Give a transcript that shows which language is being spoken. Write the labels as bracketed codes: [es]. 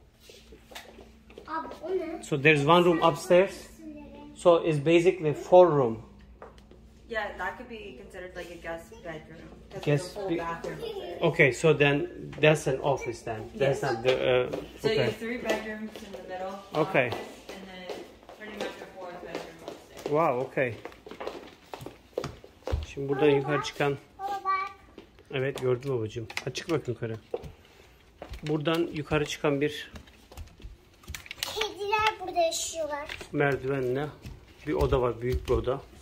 [tr] shower çok güzel. Abi o ne? [en] So there's one room upstairs. So it's basically four room. Yeah, that could be considered like a guest bedroom. Guest bathroom. Okay, so then that's an office then. That's yes. Not the, so okay. You have three bedrooms in the middle. Okay. Office, and then pretty much a fourth bedroom upstairs. Wow, okay. [tr] Şimdi buradan yukarı çıkan... Evet, gördüm babacığım. Hadi çık bakayım yukarı. Buradan yukarı çıkan bir... Kediler burada yaşıyorlar. Merdivenle. Bir oda var, büyük bir oda.